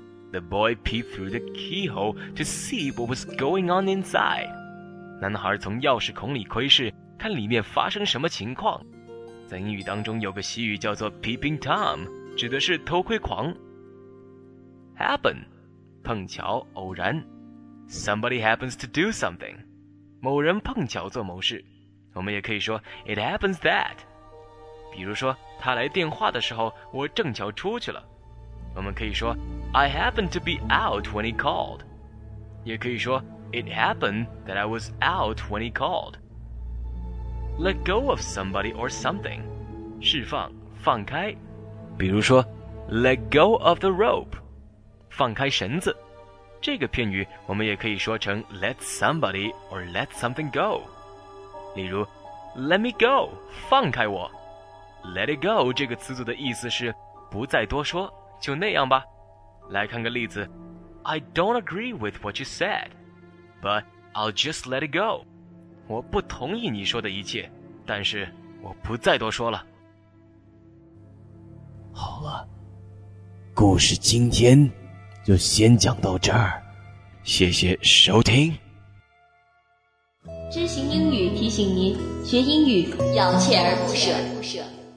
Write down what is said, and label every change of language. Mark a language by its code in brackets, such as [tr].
[en] The boy peeped through the keyhole to see what was going on inside. [zh] 男孩从钥匙孔里窥视，看里面发生什么情况。在英语当中有个习语叫做 Peeping Tom, 指的是偷窥狂。 Happen, 碰巧偶然。 [en] Somebody happens to do something. [zh] 某人碰巧做某事。我们也可以说 [en] It happens that. [zh] 比如说他来电话的时候我正巧出去了。我们可以说 [en] I happen to be out when he called. [zh] 也可以说 [en] It happened that I was out when he called. Let go of somebody or something. [zh] 释放，放开。比如说 [en] Let go of the rope. [zh] 放开绳子。这个片语我们也可以说成 [en] Let somebody or let something go. [zh] 例如 [en] Let me go. [zh] 放开我。 [en] Let it go [zh] 这个词组的意思是不再多说，就那样吧。来看个例子。 [en] I don't agree with what you said, but I'll just let it go. [zh] 我不同意你说的一切，但是我不再多说了。好了，故事今天就先讲到这儿，谢谢收听。知行英语提醒您，学英语要锲而不舍。